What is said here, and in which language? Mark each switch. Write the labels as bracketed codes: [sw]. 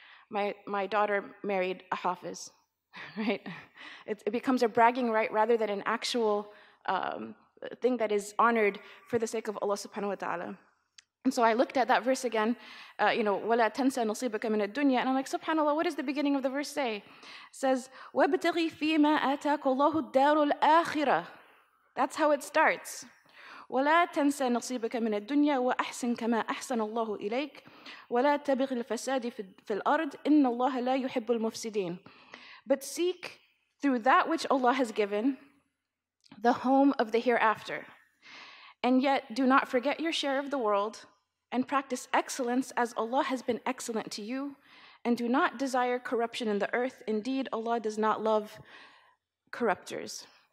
[en] My daughter married a hafiz, right? It becomes a bragging right rather than an actual thing that is honored for the sake of Allah subhanahu wa ta'ala. And so I looked at that verse again, [ar] وَلَا تَنْسَى نُصِيبَكَ مِنَ الدُّنْيَا. [en] And I'm like, subhanAllah, what does the beginning of the verse say? It says, [ar] وَابْتَغِي فِي مَا آتَاكُ اللَّهُ الدَّارُ الْآخِرَةِ. [en] That's how it starts. [ar] ولا تنسى نصيبك من الدنيا وأحسن كما أحسن الله إليك ولا تبغ الفساد في الأرض إن الله لا يحب المفسدين. [en] But seek through that which Allah has given the home of the hereafter. And yet do not forget your share of the world and practice excellence as Allah has been excellent to you and do not desire corruption in the earth. Indeed, Allah does not love corruptors.